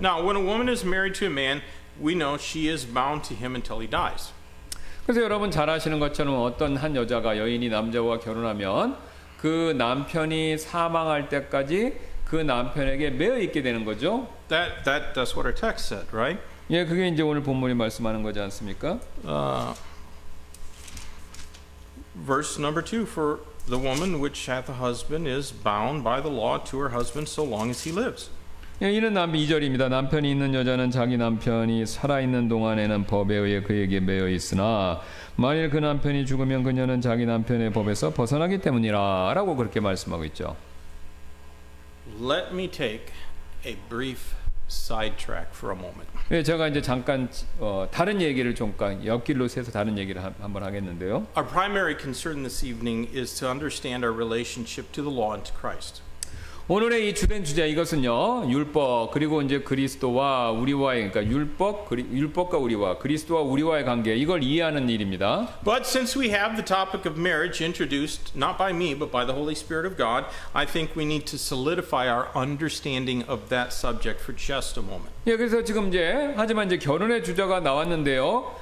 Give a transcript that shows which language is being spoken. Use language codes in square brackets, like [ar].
[en] Now, when a woman is married to a man, we know she is bound to him until he dies. [ko] 그래서 여러분 잘 아시는 것처럼 어떤 한 여자가 여인이 남자와 결혼하면 그 남편이 사망할 때까지 그 남편에게 매여 있게 되는 거죠. [en] That's what our text said, right? [ko] 예, 그게 이제 오늘 본문이 말씀하는 거지 않습니까? [en] Verse number 2, for the woman which hath a husband is bound by the law to her husband so long as he lives. [ko] 예, 이는 2절입니다. 남편이 있는 여자는 자기 남편이 살아 있는 동안에는 법에 의해 그에게 매여 있으나 만일 그 남편이 죽으면 그녀는 자기 남편의 법에서 벗어나기 때문이라라고 그렇게 말씀하고 있죠. [en] Let me take a brief sidetrack for a moment. [ko] 예, 제가 이제 잠깐 다른 얘기를 잠깐 옆길로 세서 다른 얘기를 한번 하겠는데요. [en] Our primary concern this evening is to understand our relationship to the law and to Christ. [ko] 오늘의 이 주된 주제 이것은요 율법 그리고 이제 그리스도와 우리와의 그러니까 율법과 우리와 그리스도와 우리와의 관계 이걸 이해하는 일입니다. [en] But since we have the topic of marriage introduced not by me but by the Holy Spirit of God, I think we need to solidify our understanding of that subject for just a moment. [ko] 예, 그래서 지금 이제 하지만 이제 결혼의 주제가 나왔는데요.